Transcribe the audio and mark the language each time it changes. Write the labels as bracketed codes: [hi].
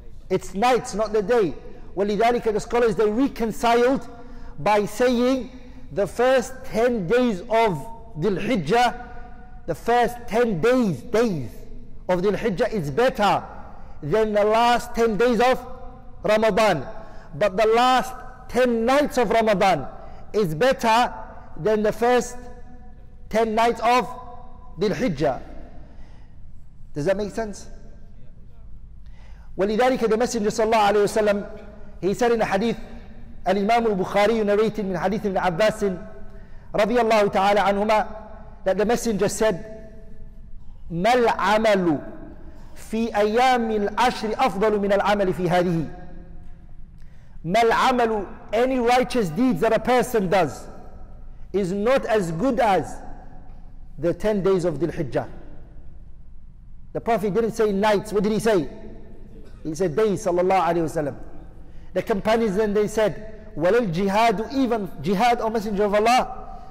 [en] It's nights, not the day. [ar] وَلِذَلِكَ, [en] the scholars, they reconciled by saying the first 10 days of Dhul Hijjah, the first 10 days of Dhul Hijjah is better than the last 10 days of Ramadan. But the last 10 nights of Ramadan is better than the first 10 nights of Dhul Hijjah. Does that make sense? [ar] ولذلك [en] the Messenger [ar] صلى الله عليه وسلم, [en] he said in a hadith, الإمام البخاري narrated [ar] من حديث ابن عباس رضي الله تعالى عنهما, [en] that the Messenger said, [ar] ما العمل في أيام العشر أفضل من العمل في هذه. ما العمل, [en] any righteous deeds that a person does is not as good as the 10 days of Dhul Hijjah. The Prophet didn't say nights. What did he say? He said days, sallallahu alayhi wasallam. The companions then they said, walal jihad, even jihad, O Messenger of Allah.